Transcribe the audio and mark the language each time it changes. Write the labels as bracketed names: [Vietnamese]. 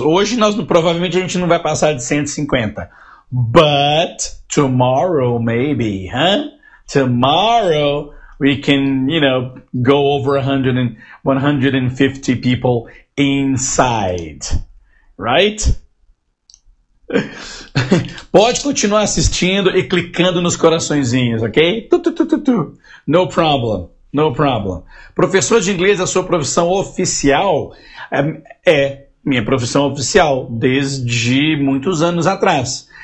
[Portuguese] Hoje, provavelmente, a gente não vai passar de 150. [English] But tomorrow maybe, huh? Tomorrow we can, you know, go over 150 people inside, right? [Portuguese] Pode continuar assistindo e clicando nos coraçõezinhos, ok? Tu. [English] No problem, no problem. [Portuguese] Professor de inglês, a sua profissão oficial é minha profissão oficial desde muitos anos atrás.